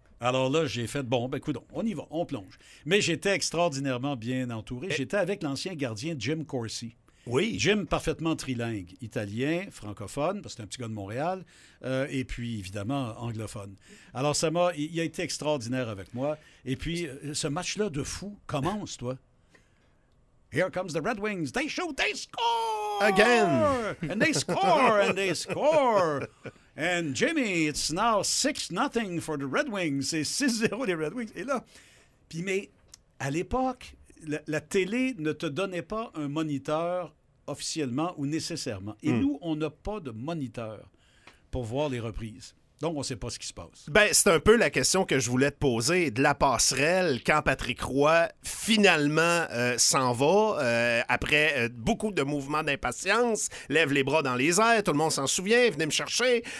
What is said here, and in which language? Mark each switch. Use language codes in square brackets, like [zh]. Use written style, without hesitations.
[fr] Alors là, j'ai fait, bon, ben coudonc, on y va, on plonge. Mais j'étais extraordinairement bien entouré. J'étais avec l'ancien gardien Jim Corsi. Oui. Jim, parfaitement trilingue, italien, francophone, parce que c'est un petit gars de Montréal, et puis évidemment anglophone. Alors ça m'a, il a été extraordinaire avec moi. Et puis ce match-là de fou commence, toi. [en] Here comes the Red Wings. They shoot, they score! Again! And they score, and they score! And Jimmy, it's now 6-0 for the Red Wings. [fr] C'est 6-0 les Red Wings. Et là, puis mais à l'époque, la télé ne te donnait pas un moniteur officiellement ou nécessairement. Et nous, on n'a pas de moniteur pour voir les reprises. Donc, on ne sait pas ce qui se passe. Bien, c'est un peu la question que je voulais te poser. De la passerelle, quand Patrick Roy finalement s'en va, après beaucoup de mouvements d'impatience, lève les bras dans les airs, tout le monde s'en souvient, venez me chercher.